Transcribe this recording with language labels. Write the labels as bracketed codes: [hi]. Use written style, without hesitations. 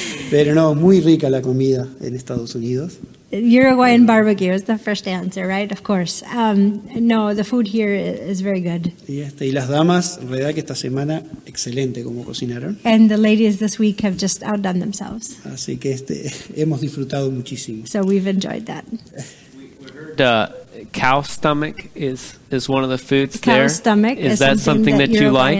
[es] Pero no, muy rica la comida en Estados Unidos. [en] Uruguayan barbecue is the first answer, right? Of course. No, the food here is very good. [es] Y las damas, en realidad que esta semana, excelente como cocinaron. [en] And the ladies this week have just outdone themselves. [es] Así que hemos disfrutado muchísimo. [en] So we've enjoyed that. The cow stomach is one of the foods cow there. Cow stomach is that something that you like?